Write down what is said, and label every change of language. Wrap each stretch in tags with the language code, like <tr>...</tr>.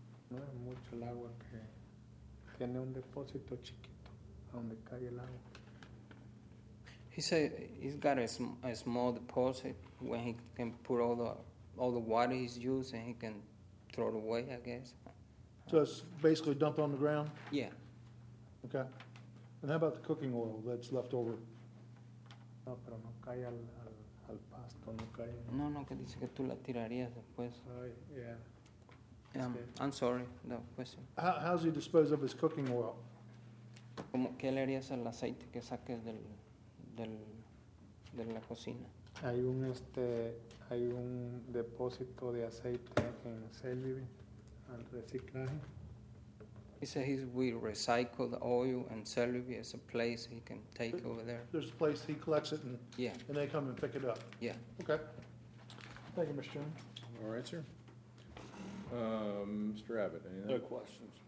<es>No es mucho el agua que tiene un depósito chiquito donde cae el agua.</es> <en>He said he's got a small deposit where he can put all the water he's used, and he can throw it away, I guess. So it's basically dumped on the ground? Yeah. Okay. And how about the cooking oil that's left over?</en> <es>No, pero no cae al pasto, no cae. No, que dice que tú la tirarías después.</es> <en>Yeah. I'm sorry, no question. How does he dispose of his cooking oil?</en> <es>¿Cómo, qué le harías al aceite que saques de la cocina? Hay un hay un depósito de aceite en Selby, al reciclaje.</es> <en>He says we recycle the oil and Selby is a place he can take over there. There's a place he collects it yeah. And they come and pick it up. Yeah. Okay. Thank you, Mr. Chairman. All right, sir. Mr. Abbott, anything? No questions.</en>